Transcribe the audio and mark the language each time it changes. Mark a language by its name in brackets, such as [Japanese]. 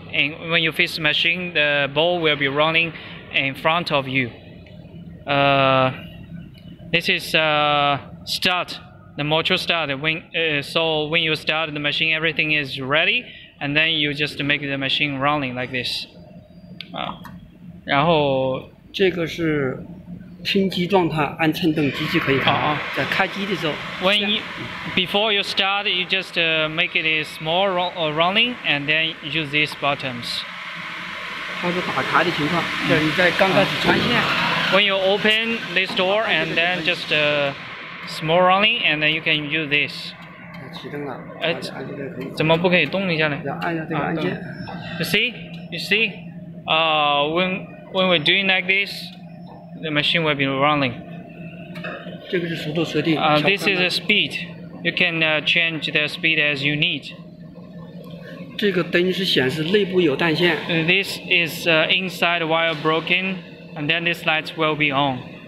[English] And when you face the machine, the ball will be running in front of you. This is start, the motor start. When you start the machine, everything is ready, and then you just make the machine running like this. [Chinese] 然后这个是停机状态，按蹭动机就可以看。在开机的时候 [English] ，When before you start, you just make it small running, and then use these buttons. [Chinese] 它是打开的情况，就是你在刚开始穿线。 [English] When you open this door, and then just small running, and then you can use this. [Chinese] 启动了，哎，怎么不可以动一下呢？要按一下这个按键。 [English] You see? When we're doing like this, the machine will be running. This is a speed. You can change the speed as you need. This is inside wire broken, and then this light will be on.